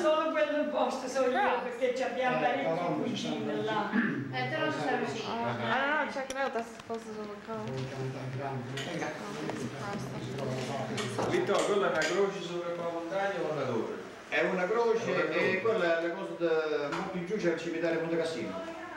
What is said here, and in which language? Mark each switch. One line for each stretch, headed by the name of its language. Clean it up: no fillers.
Italian: Solo quello in posto, solo io, perché ci abbiamo parecchie cucine là. Te lo serve.
English: I don't know, check it out, that's as close as it'll come.
Italian: Vittorio, quella è una croce sopra la montagna o una torre? È una croce e quella è la cosa da molto in giù, c'è il cimitero Monte Cassino.